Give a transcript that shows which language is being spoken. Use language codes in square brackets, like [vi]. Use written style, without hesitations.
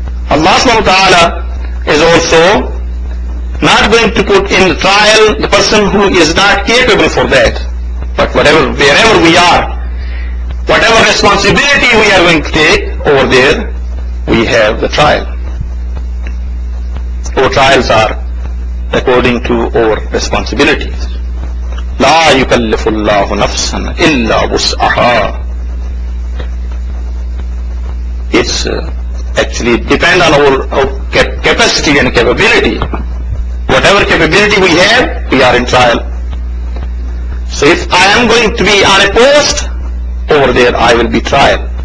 [en] Allah subhanahu wa ta'ala is also not going to put in trial the person who is not capable for that. But whatever, wherever we are, whatever responsibility we are going to take over there, we have the trial. Our trials are according to our responsibilities. [ar] لا يكلف الله نفسا إلا وسعها. [en] It's actually depend on our capacity and capability. Whatever capability we have, we are in trial. So if I am going to be on a post over there, I will be trial.